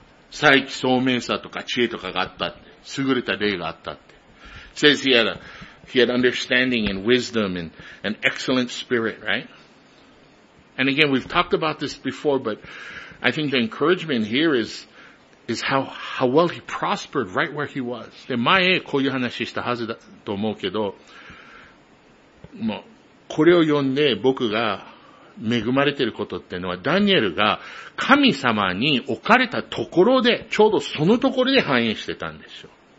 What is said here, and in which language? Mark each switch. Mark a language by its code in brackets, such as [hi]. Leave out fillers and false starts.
[ja] 再起聡明さとか知恵とかがあったって、優れた例があったって。 [en] It says he had understanding and wisdom and an excellent spirit, right? And again, we've talked about this before, but I think the encouragement here is is how well he prospered right where he was. [ja] で、前こういう話したはずだと思うけど、もうこれを読んで僕が恵まれていることっていうのは、ダニエルが神様に置かれたところで、ちょうどそのところで繁栄してたんですよ。